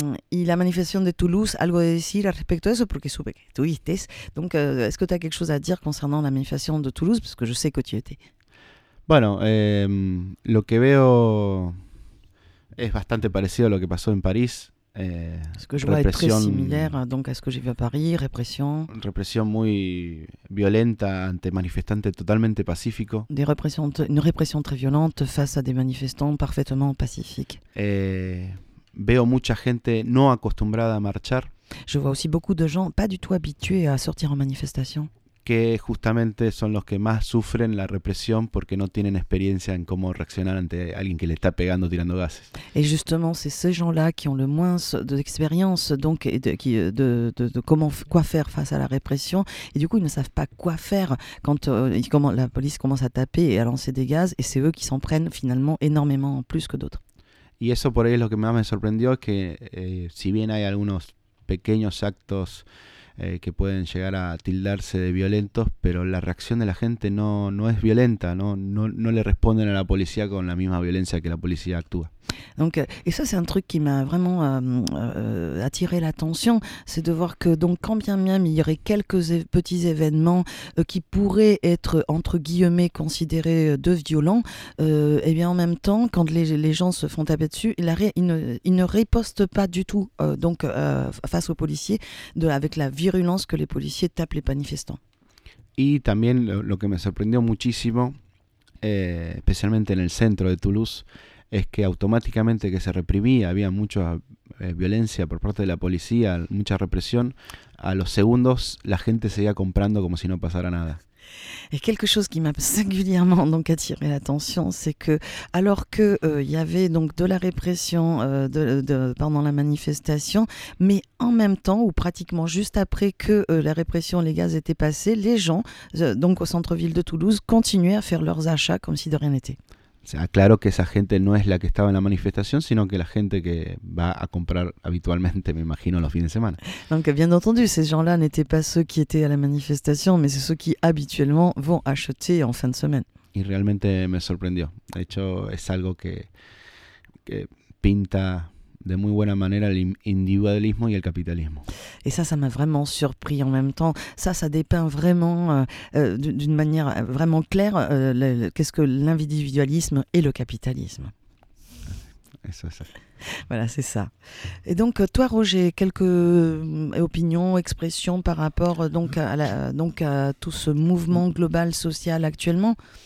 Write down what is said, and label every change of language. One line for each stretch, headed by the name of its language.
Spanish: Y la manifestation de Toulouse, algo de decir al respecto de eso, porque supe que tuviste.
French: Donc est-ce que tu as quelque chose à dire concernant la manifestation de Toulouse, parce que je sais que tu étais.
Spanish: Bueno, lo que veo es bastante parecido a lo que pasó en París.
French: Ce que je vois est très similaire donc à ce que j'ai vu à Paris, répression.
Spanish: Répression muy violenta ante manifestantes totalmente pacífico.
French: Une répression très violente face à des manifestants parfaitement pacifiques.
Spanish: Veo mucha gente no acostumbrada a marchar.
French: Je vois aussi beaucoup de gens pas du tout habitués à sortir en manifestation.
Spanish: Que justamente son los que más sufren la represión porque no tienen experiencia en cómo reaccionar ante alguien que le está pegando tirando gases. Y justamente
French: c'est ces gens-là qui ont le moins d'expérience donc de comment quoi faire face à la répression et du coup ils ne savent pas quoi faire quand la police commence à taper et à lancer des gaz et c'est eux qui s'en prennent finalement énormément plus que d'autres.
Spanish: Y eso por ahí es lo que más me sorprendió que si bien hay algunos pequeños actos que pueden llegar a tildarse de violentos, pero la reacción de la gente no es violenta, no le responden a la policía con la misma violencia que la policía actúa.
French: Donc, et ça c'est un truc qui m'a vraiment attiré l'attention, c'est de voir que donc quand bien même il y aurait quelques petits événements qui pourraient être entre guillemets considérés de violents, et bien en même temps quand les gens se font taper dessus, ils ne ripostent pas du tout face aux policiers avec la virulence que les policiers tapent les manifestants. Et
Spanish: también lo que me sorprendió muchísimo, especialmente en el centro de Toulouse, es que automáticamente que se reprimía, había mucha violencia por parte de la policía, mucha represión, a los segundos la gente seguía comprando como si no pasara nada.
French: Et quelque chose qui m'a singulièrement donc attiré l'attention, c'est que alors que il y avait donc de la répression pendant la manifestation, mais en même temps ou pratiquement juste après que la répression, les gaz étaient passés, les gens donc au centre-ville de Toulouse continuaient à faire leurs achats comme si de rien n'était.
Spanish: Claro que esa gente no es la que estaba en la manifestación, sino que la gente que va a comprar habitualmente, me imagino, los fines de semana.
French: Donc, bien entendu, ces gens-là n'étaient pas ceux qui étaient à la manifestation, mais c'est ceux qui habituellement vont acheter en fin de semaine.
Spanish: Y realmente me sorprendió. De hecho, es algo que pinta de muy buena manera el individualismo y el capitalismo.
French: Et ça m'a vraiment surpris en même temps. Ça dépeint vraiment d'une manière vraiment claire qu'est-ce que l'individualisme et le capitalisme.
Spanish: Eso.
French: Voilà, c'est ça. Et donc toi Roger, quelques opinions, expressions par rapport à tout ce mouvement global social actuellement?